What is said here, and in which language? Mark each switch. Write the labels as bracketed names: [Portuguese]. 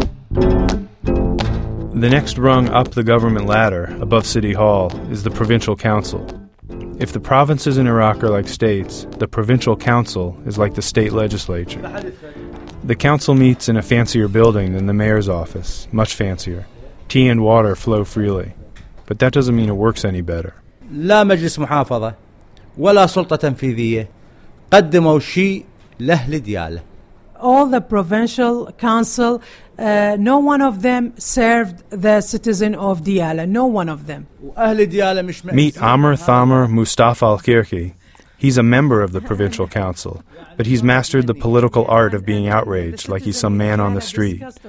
[English] The next rung up the government ladder, above City Hall, is the Provincial Council. If the provinces in Iraq are like states, the Provincial Council is like the state legislature. The council meets in a fancier building than the mayor's office, much fancier. Tea and water flow freely. But that doesn't mean it works any better. [Arabic] لا مجلس محافظة ولا سلطة تنفيذية قدموا شيء لأهل ديالة. [English] All the provincial council, no one of them served the citizen of Diyala. No one of them. Meet Amr Thamer Mustafa Al-Kirki. He's a member of the provincial council, but he's mastered the political art of being outraged like he's some man on the street.